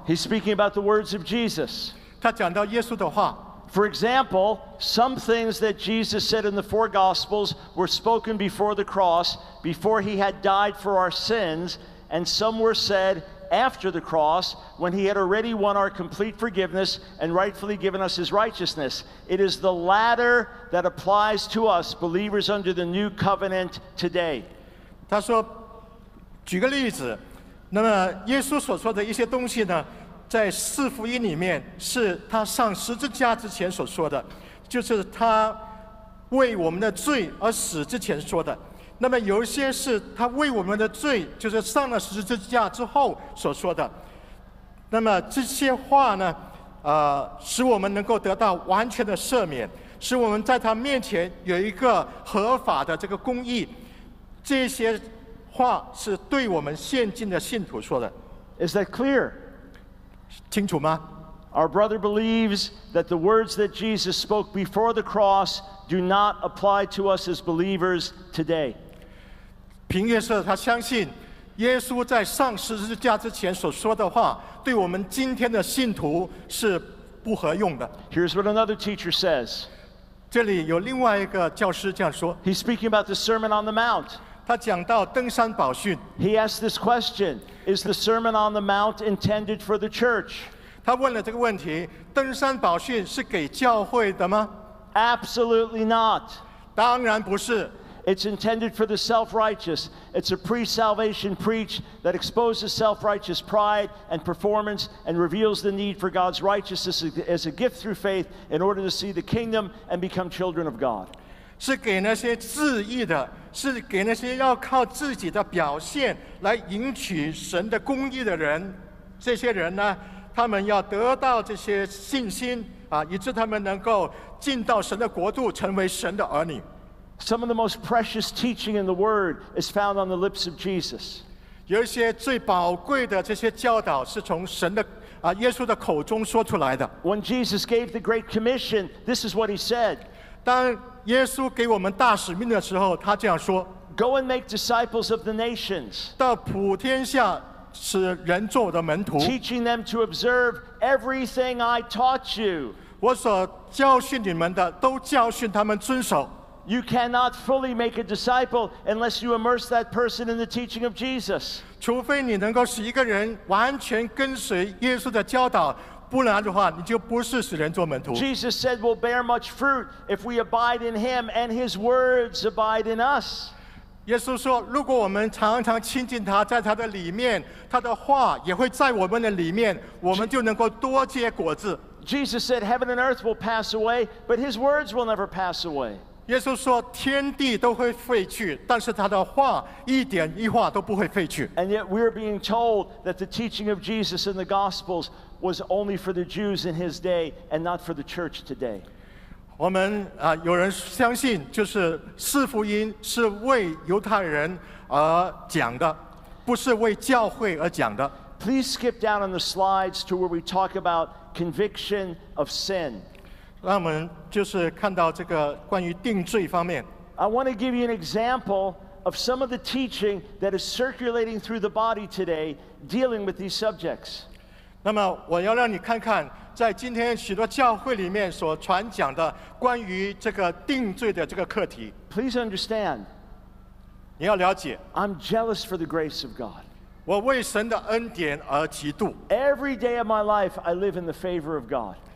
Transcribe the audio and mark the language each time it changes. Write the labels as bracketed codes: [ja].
[en] He's speaking about the words of Jesus. [zh] 他讲到耶稣的话。 [en] For example, some things that Jesus said in the four Gospels were spoken before the cross, before he had died for our sins, and some were said after the cross, when he had already won our complete forgiveness and rightfully given us his righteousness. It is the latter that applies to us, believers under the new covenant today. [zh] 他说，举个例子，那么耶稣所说的一些东西呢？在四福音里面是他上十字架之前所说的，就是他为我们的罪而死之前说的。那么有一些是他为我们的罪，就是上了十字架之后所说的。那么这些话呢，使我们能够得到完全的赦免，使我们在他面前有一个合法的这个公义。这些话是对我们现今的信徒说的。 [en] Is that clear? [zh] 清楚吗? [en] Our brother believes that the words that Jesus spoke before the cross do not apply to us as believers today. [zh] 平约瑟他相信耶稣在上十字架之前所说的话对我们今天的信徒是不合用的。 [en] Here's what another teacher says. [zh] 这里有另外一个教师这样说。 [en] He's speaking about the Sermon on the Mount. [zh] 他讲到登山宝训。 [en] He asked this question, is the Sermon on the Mount intended for the church? [zh] 他问了这个问题，登山宝训是给教会的吗？ [en] Absolutely not. [zh] 当然不是。 [en] It's intended for the self-righteous. It's a pre-salvation preach that exposes self-righteous pride and performance and reveals the need for God's righteousness as a gift through faith in order to see the kingdom and become children of God. [zh] 是给那些自义的，是给那些要靠自己的表现来赢取神的公义的人。这些人呢，他们要得到这些信心啊，以致他们能够进到神的国度，成为神的儿女。 [en] Some of the most precious teaching in the Word is found on the lips of Jesus. [zh] 有一些最宝贵的这些教导是从神的啊耶稣的口中说出来的。 [en] When Jesus gave the Great Commission, this is what he said. [zh] 当耶稣给我们大使命的时候，他这样说。 [en] Go and make disciples of the nations. [zh] 到普天下使人做我的门徒。 [en] Teaching them to observe everything I taught you. [zh] 我所教训你们的都教训他们遵守。 [en] You cannot fully make a disciple unless you immerse that person in the teaching of Jesus. [zh] 除非你能够使一个人完全跟随耶稣的教导，不然的话，你就不是使人做门徒。 [en] Jesus said, "We'll bear much fruit if we abide in Him, and His words abide in us." [zh] 耶稣说，如果我们常常亲近他，在他的里面，他的话也会在我们的里面，我们就能够多结果子。 [en] Jesus said, "Heaven and earth will pass away, but His words will never pass away." [zh] 耶稣说天地都会废去，但是他的话一点一话都不会废去。 [en] And yet we are being told that the teaching of Jesus in the Gospels was only for the Jews in his day and not for the church today. [zh] 我们啊，有人相信就是四福音是为犹太人而讲的，不是为教会而讲的。 [en] Please skip down on the slides to where we talk about conviction of sin. [zh] 让我们就是看到这个关于定罪方面。 [en] I want to give you an example of some of the teaching that is circulating through the body today dealing with these subjects. [zh] 那么我要让你看看在今天许多教会里面所传讲的关于这个定罪的这个课题。 [en] Please understand. [zh] 你要了解。 [en] I'm jealous for the grace of God. [zh] 我为神的恩典而嫉妒。 [en] Every day of my life, I live in the favor of God.